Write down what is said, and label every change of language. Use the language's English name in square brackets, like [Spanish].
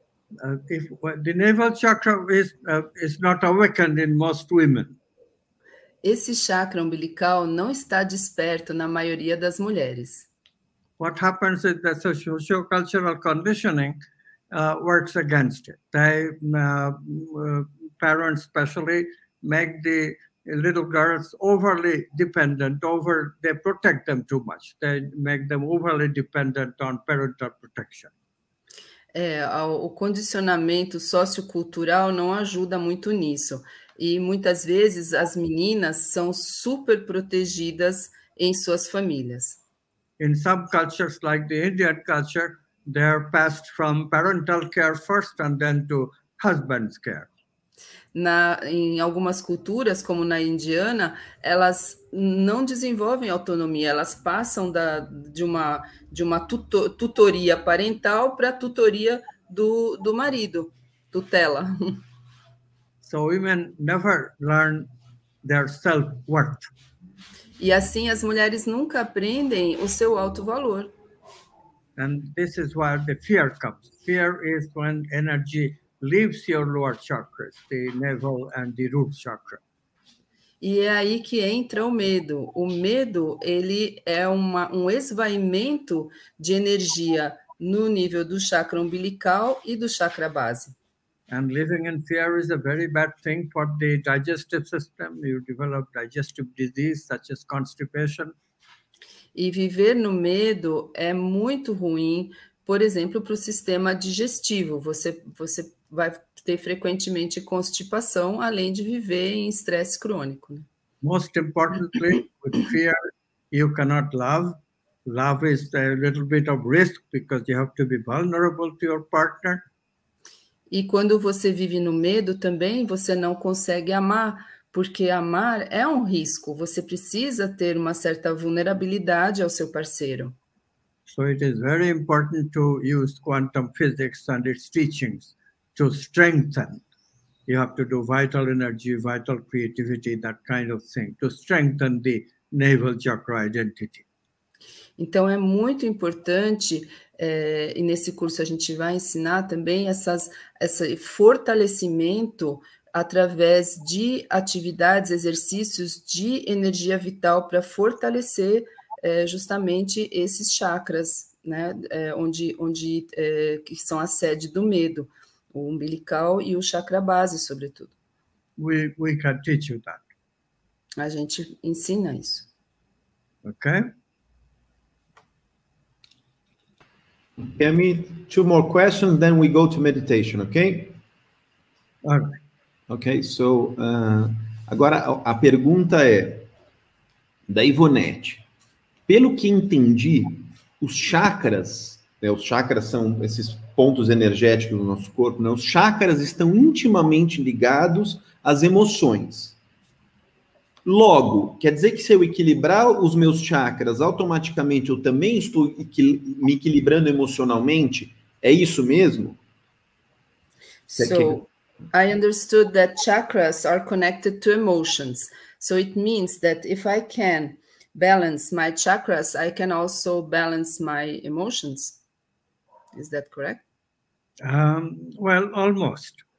[English] The navel chakra is not awakened in most women. [Portuguese] Esse chakra umbilical não está desperto na maioria das mulheres. [English] What happens is the socio-cultural conditioning works against it. Parents especially make the little girls overly dependent, they protect them too much. They make them overly dependent on parental protection. [Portuguese] É, o condicionamento sociocultural não ajuda muito nisso. E muitas vezes as meninas são super protegidas em suas famílias. [English] In some cultures, like the Indian culture, they're passed from parental care first and then to husband's care. [Portuguese] Em algumas culturas, como na indiana, elas não desenvolvem autonomia, elas passam de uma tutoria parental para a tutoria do marido, tutela. [English] So women never learn their self-worth. [Portuguese] E assim as mulheres nunca aprendem o seu alto valor. [English] And this is where the fear comes. Fear is when energy leaves your lower chakras, the navel and the root chakra. [Portuguese] E é aí que entra o medo. O medo, ele é um esvaimento de energia no nível do chakra umbilical e do chakra base. [English] And living in fear is a very bad thing for the digestive system. You develop digestive disease such as constipation. [Portuguese] E viver no medo é muito ruim, por exemplo, para o sistema digestivo. Você vai ter frequentemente constipação, além de viver em estresse crônico. [English] Most importantly, with fear, you cannot love. Love is a little bit of risk because you have to be vulnerable to your partner. [Portuguese] E quando você vive no medo também, você não consegue amar, porque amar é um risco. Você precisa ter uma certa vulnerabilidade ao seu parceiro. [English] So it is very important to use quantum physics and its teachings to strengthen. You have to do vital energy, vital creativity, that kind of thing, to strengthen the navel chakra identity. [Portuguese] Então é muito importante, e nesse curso a gente vai ensinar também esse fortalecimento através de atividades, exercícios de energia vital para fortalecer justamente esses chakras, né, que são a sede do medo, o umbilical e o chakra base, sobretudo. [English] We can teach you that. [Portuguese] A gente ensina isso. [English] Ok. Tammy, two more questions, then we go to meditation, ok? Ok. [Portuguese] Ok, so, agora a pergunta é da Ivonete. Pelo que entendi, os chakras, né, os chakras são esses pontos energéticos do nosso corpo, né, os chakras estão intimamente ligados às emoções. Logo, quer dizer que se eu equilibrar os meus chakras, automaticamente eu também estou me equilibrando emocionalmente? É isso mesmo? [English] I understood that chakras are connected to emotions. So it means that if I can balance my chakras, I can also balance my emotions. Is that correct? Well, almost.